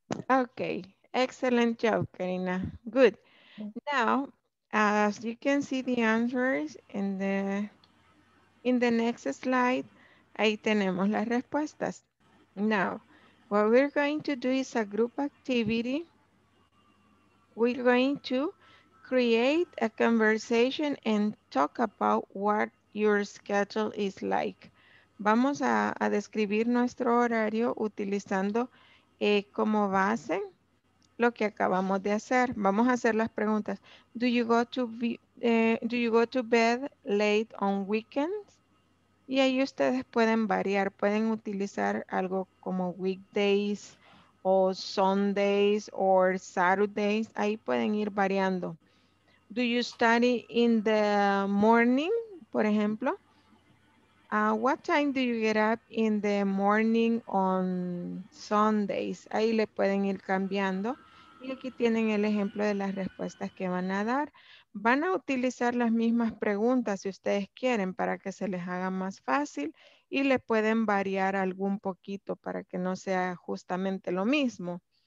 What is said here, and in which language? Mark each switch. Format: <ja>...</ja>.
<en>Okay, excellent job, Karina. Good. Now, as you can see the answers in the next slide,</en> <es>ahí tenemos las respuestas.</es> <en>Now, what we're going to do is a group activity. We're going to create a conversation and talk about what your schedule is like.</en> <es>Vamos a describir nuestro horario utilizando como base lo que acabamos de hacer. Vamos a hacer las preguntas.</es> <en>Do you go to bed late on weekends?</en> <es>Y ahí ustedes pueden variar. Pueden utilizar algo como weekdays o Sundays o Saturdays. Ahí pueden ir variando.</es> <en>Do you study in the morning,</en> <es>por ejemplo?</es> <en>What time do you get up in the morning on Sundays?</en> <es>Ahí le pueden ir cambiando. Y aquí tienen el ejemplo de las respuestas que van a dar. Van a utilizar las mismas preguntas si ustedes quieren para que se les haga más fácil. Y le pueden variar algún poquito para que no sea justamente lo mismo.</es>